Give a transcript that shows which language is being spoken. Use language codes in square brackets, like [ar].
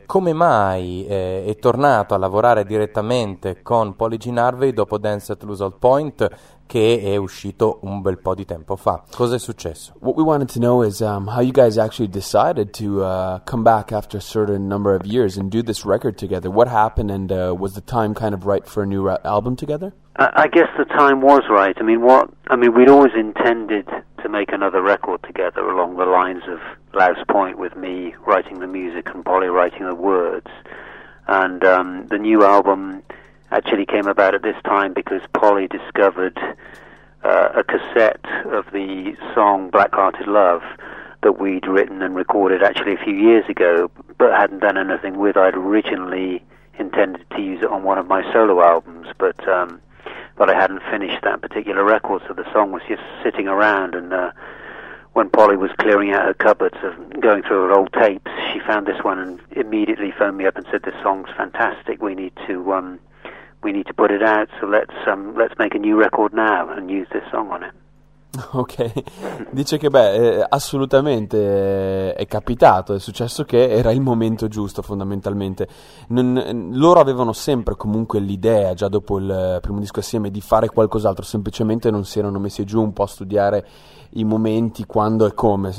[it] come mai è tornato a lavorare direttamente con Polygyne Harvey dopo Dance at Lusol Point, che è uscito un bel po' di tempo fa? Cosa è successo? [en] What we wanted to know is how you guys actually decided to come back after a certain number of years and do this record together. What happened, and was the time kind of right for a new album together? I guess the time was right. We'd always intended to make another record together along the lines of Louse Point, with me writing the music and Polly writing the words. And the new album actually came about at this time because Polly discovered a cassette of the song Black-Hearted Love that we'd written and recorded actually a few years ago, but hadn't done anything with. I'd originally intended to use it on one of my solo albums, but I hadn't finished that particular record, so the song was just sitting around. And when Polly was clearing out her cupboards and going through her old tapes, she found this one and immediately phoned me up and said, "This song's fantastic. We need to put it out. So let's make a new record now and use this song on it." [it] Ok, dice che beh, assolutamente è capitato, è successo che era il momento giusto fondamentalmente. Loro avevano sempre comunque l'idea, già dopo il primo disco assieme, di fare qualcos'altro, semplicemente non si erano messi giù un po' a studiare i momenti, quando e come.